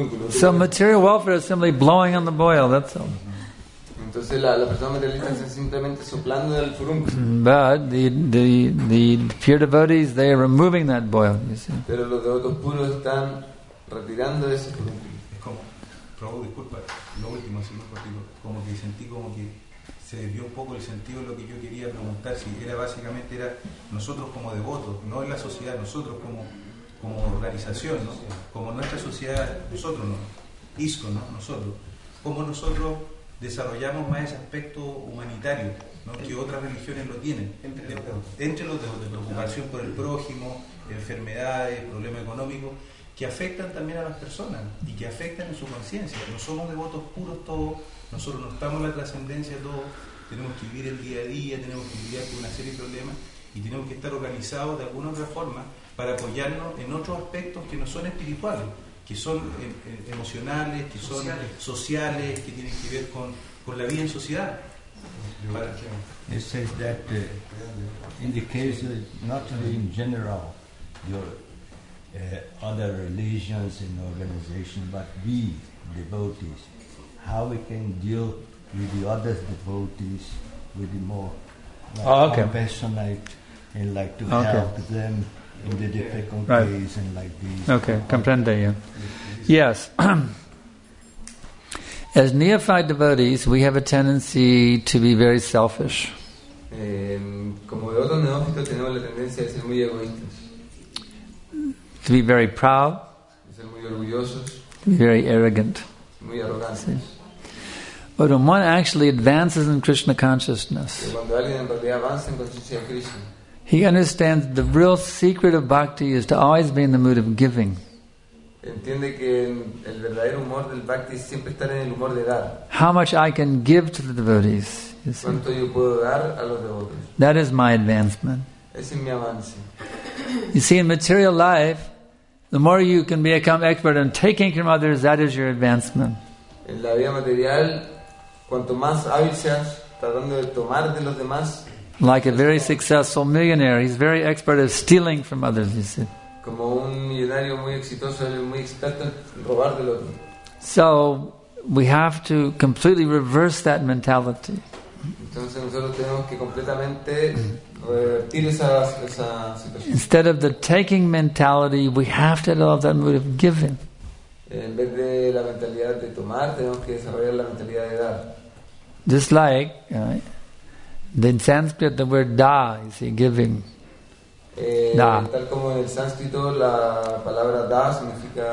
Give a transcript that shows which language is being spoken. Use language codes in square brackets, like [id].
[en] So material welfare is simply blowing on the boil. That's all. [es] Entonces la persona materialista está simplemente soplando del furúnculo. [en] But the pure devotees, they are removing that boil, you see. [es] Pero los devotos puros están retirando ese furúnculo. Es como, Prabhu, disculpa, lo último, así más cortito, como que sentí como que se desvió un poco el sentido de lo que yo quería preguntar, si era básicamente era nosotros como devotos, no en la sociedad, nosotros como organización, ¿no? Como nuestra sociedad, nosotros no, ISCO, ¿no? Nosotros. Como nosotros desarrollamos más ese aspecto humanitario, ¿no? Que otras religiones lo tienen. Entre los de preocupación por el prójimo, enfermedades, problemas económicos, que afectan también a las personas y que afectan en su conciencia. No somos devotos puros todos, nosotros no estamos en la trascendencia todos, tenemos que vivir el día a día, tenemos que lidiar con una serie de problemas y tenemos que estar organizados de alguna otra forma para apoyarnos en otros aspectos que no son espirituales, que son emocionales, que son sociales, que tienen que ver con la vida en sociedad. [en] It says that in the case of not only in general your other religions and organizations, but we devotees, how we can deal with the other devotees with the more compassionate and like to help them in the difficult days and like these. Okay, [es] comprende, [en] yeah. Yes. As neophyte devotees, we have a tendency to be very selfish. [es] Como devotos neófitos tenemos la tendencia de ser muy egoístas. [en] To be very proud. [es] De ser muy orgullosos. [en] To be very arrogant. [es] Muy arrogantes. [en] See? But when one actually advances in Krishna consciousness, [es] cuando alguien en realidad avanza en conciencia de Krishna, [en] he understands the real secret of bhakti is to always be in the mood of giving. [es] Entiende que el verdadero humor del bhakti es siempre estar en el humor de dar. [en] How much I can give to the devotees. [es] ¿Cuánto yo puedo dar a los devotos? [en] That is my advancement. [es] Ese es mi avance. [en] You see, in material life, the more you can become expert in taking from others, that is your advancement. [es] En la vida material, cuanto más hábil seas tratando de tomar de los demás, [en] like a very successful millionaire, he's very expert at stealing from others, you see. [es] Como un millonario muy exitoso, él es muy experto en robar del otro. [en] So we have to completely reverse that mentality. [es] Entonces nosotros tenemos que completamente revertir esa situación. [en] Instead of the taking mentality, we have to develop that mood of giving. [es] En vez de la mentalidad de tomar, tenemos que desarrollar la mentalidad de dar. [en] Just like in Sanskrit, the word da, you see, giving. [sa] Da. [es] Tal como en el sánscrito, la palabra da significa.